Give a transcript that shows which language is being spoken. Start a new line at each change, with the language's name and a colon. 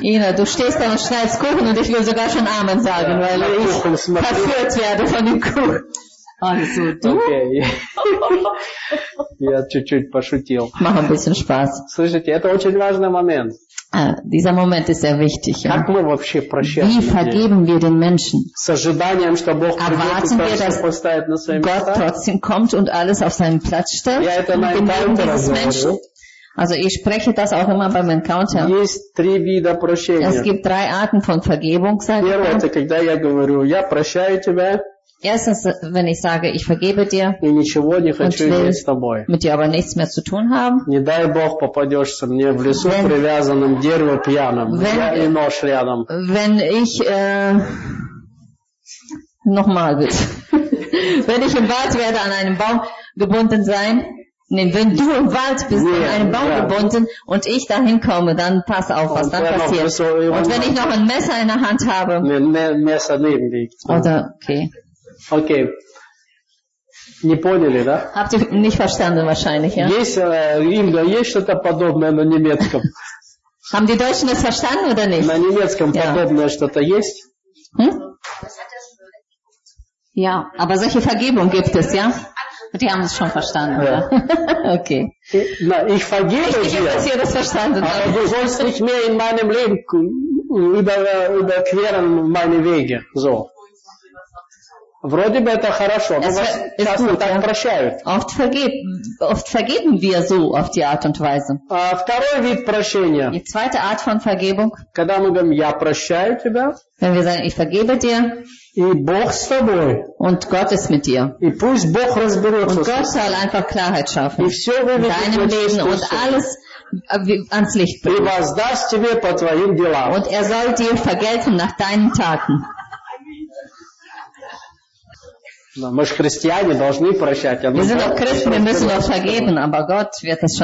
German: Ина, du stehst
Russian: там
German: und schneidest Kuchen und ich will sogar schon Amen sagen, weil ich verführt werde von dem Kuchen. Also, du?
Russian: Okay. Я чуть-чуть пошутил.
German: Mach ein bisschen Spaß.
Russian: Слышите, это очень важный момент.
German: Dieser Moment ist sehr wichtig. Ja. Wie vergeben wir den Menschen? Erwarten wir, dass Gott trotzdem kommt und alles auf seinen Platz stellt? Ja,
Russian: это
German: mein Leben dieses Menschen. Also ich spreche das auch immer beim Encounter.
Russian: Есть три вида прощения.
German: Es gibt drei Arten von Vergebung, sage ich. Первое, это когда я говорю, я прощаю тебя. Erstens, wenn ich sage, ich vergebe dir und will mit dir aber nichts mehr zu tun haben,
Russian: не дай Бог попадешься мне в лесу привязанным дерево пьяным, я и нож рядом.
German: Wenn ich nochmal bitte, wenn ich im Wald werde an einem Baum gebunden sein, nein, wenn du im Wald bist nee, an einem Baum gebunden und ich dahin komme, dann pass auf, was dann passiert. Und wenn ich noch ein Messer in der Hand habe, Messer neben liegt. Oder okay.
Russian: Окей. Не поняли, да?
German: Habt ihr nicht verstanden wahrscheinlich, ja?
Russian: Есть, Инга, есть что-то подобное на немецком?
German: Haben die Deutschen das verstanden oder nicht?
Russian: На немецком подобное что-то есть?
German: Ja, aber solche Vergebung gibt es, ja? Die haben es schon verstanden, ja. Okay. Na, ich vergebe dir. Ich habe das hier verstanden. Aber du sollst nicht mehr in meinem Leben überqueren meine Wege, so.
Russian: Вроде бы это хорошо, но вас часто так прощают.
German: Oft vergeben wir so auf die Art und Weise.
Russian: Второй вид прощения.
German: Die zweite Art von Vergebung.
Russian: Когда мы говорим, я прощаю тебя.
German: Wenn wir sagen, ich vergebe dir.
Russian: И Бог с тобой.
German: Und Gott ist mit dir.
Russian: И пусть Бог разберется.
German: Und Gott soll einfach Klarheit schaffen.
Russian: И все выведет
German: in deinem Leben und alles ans Licht bringen.
Russian: И воздаст тебе по твоим делам.
German: Und soll dir vergelten nach deinen Taten.
Russian: Мы же христиане, должны прощать. Мы же христиане, мы должны прощать, но Бог будет это все